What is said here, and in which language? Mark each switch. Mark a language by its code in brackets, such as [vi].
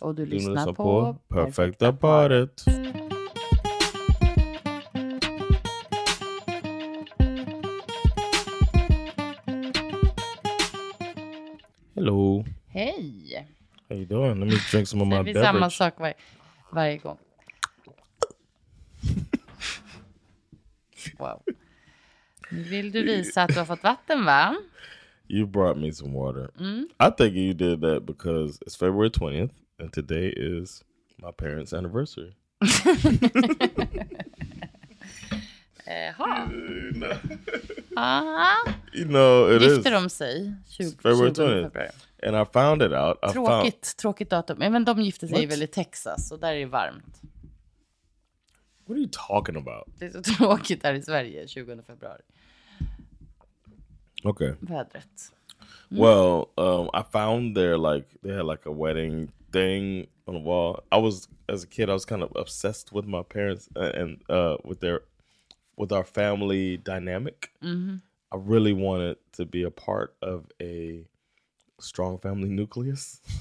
[sv] Och du lyssnar på [en] Perfect About It. Hello. [sv] Hej. [en] How you doing? Let me drink some of my beverage. [sv] Det är samma sak varje gång. Wow. Vill du visa att du har fått vatten, va? [en] You brought me some water. Mm. I think you did that because it's February 20th and today is my parents' anniversary. [sv] Jaha. [en] You know, it [sv] gifter [en] is. [sv] Gifter de sig? [en] February 20th. And I found it out. [sv] Tråkigt datum. Men de gifter sig väl i Texas och där är det varmt. [en] What are you talking about? [sv] Det är så tråkigt där i Sverige 20 februari. [en] Okay. [sv] Vädret. Mm. [en] Well, I found they had a wedding thing on the wall. As a kid, I was kind of obsessed with my parents and with our family dynamic. Mm-hmm. I really wanted to be a part of a strong family nucleus.